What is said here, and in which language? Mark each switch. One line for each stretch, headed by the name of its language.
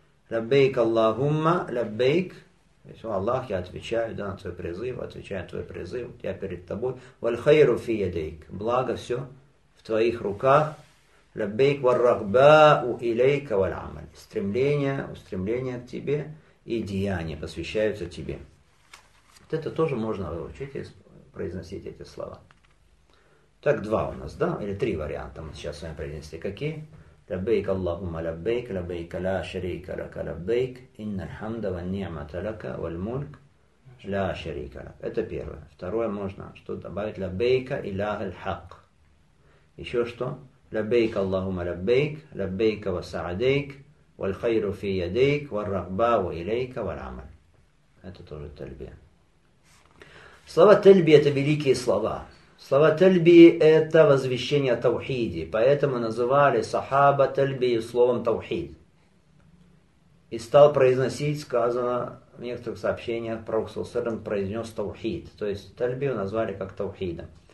Russian: Лаббейк, Аллахумма лаббейк, то есть, о Аллах, я отвечаю, да, на твой призыв, отвечаю на твой призыв, я перед тобой, вальхайру фи ядейк, благо все в твоих руках,
Arabic: لبيك والرغبة إليك والعمل.
Russian: Стремление, устремление к тебе и деяния посвящаются тебе. Вот это тоже можно выучить и произносить эти слова. Так два у нас, да? Или три варианта мы сейчас с вами произнесли. Какие?
Arabic: لبيك اللهم لبيك لبيك لا شريك لك لبيك إن الحمد والنعمة لك والملك لا شريك لك.
Russian: Это первое. Второе можно что добавить?
Arabic: لبيك إله الحق.
Russian: Еще что?
Arabic: لبيك اللهم لبيك لبيك وسعديك والخير في يديك والرغبة وإليك والعمل.
Russian: Это тоже тальбия. Слова тальбии — это великие слова. Слова тальбии — это возвещение таухиди, поэтому называли сахаба тальбию словом таухид. И стал произносить, сказано, в некоторых сообщениях пророк Саусерн произнес таухид, то есть тальбию назвали как таухидом.